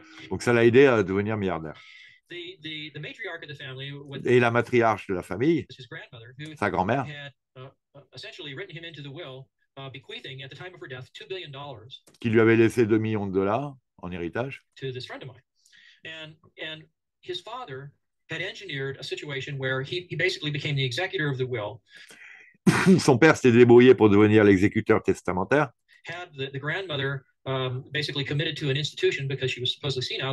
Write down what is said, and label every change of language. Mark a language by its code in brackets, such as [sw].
[fr] Donc ça l'a aidé à devenir milliardaire. [en] The matriarch of the family, [fr] et la matriarche de la famille, [en] his grandmother, who [fr] sa grand-mère, [en] had, essentially written him into the will, bequeathing at the time of her death $2 billion, [fr] qui lui avait laissé 2 millions de dollars en héritage. [en] To this friend of mine, and his father had engineered a situation where he basically became the executor of the will. [fr] Son père s'était débrouillé pour devenir l'exécuteur testamentaire. [en] Had the grandmother basically committed to an institution because she was supposedly senile.